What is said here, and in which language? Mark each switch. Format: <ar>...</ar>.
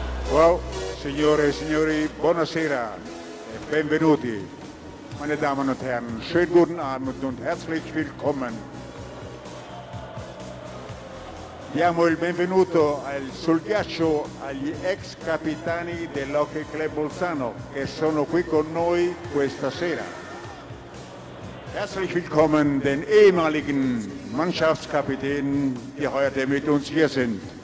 <it>Wow, signore e signori, buonasera e benvenuti.</it> <de>Meine Damen und Herren, schönen guten Abend und herzlich willkommen.</de> <it>Diamo il benvenuto sul ghiaccio agli ex capitani dell'Hockey Club Bolzano che sono qui con noi questa sera.</it> <de>Herzlich willkommen den ehemaligen Mannschaftskapitänen, die heute mit uns hier sind.</de>